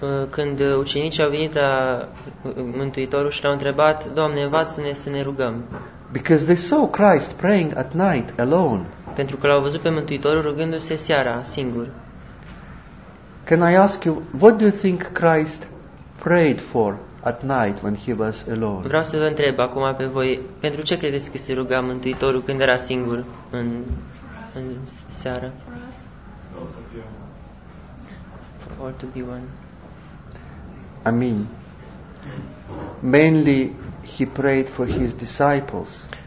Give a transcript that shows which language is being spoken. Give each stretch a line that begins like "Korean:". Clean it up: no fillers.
Romanian: Când ucenicii au venit la Mântuitorul și l-au întrebat, Doamne, învață-ne să ne rugăm.
English: Because they saw Christ praying at night alone.
Romanian: Pentru că l-au văzut pe Mântuitorul rugându-se seara singur.
English: Can I ask you, what do you think Christ prayed for at night when he was alone?
Romanian: Vreau să vă întreb acum pe voi, pentru ce credeți că se ruga Mântuitorul când era singur în seară?
English: For us to be one. I mean, mainly he prayed for his disciples.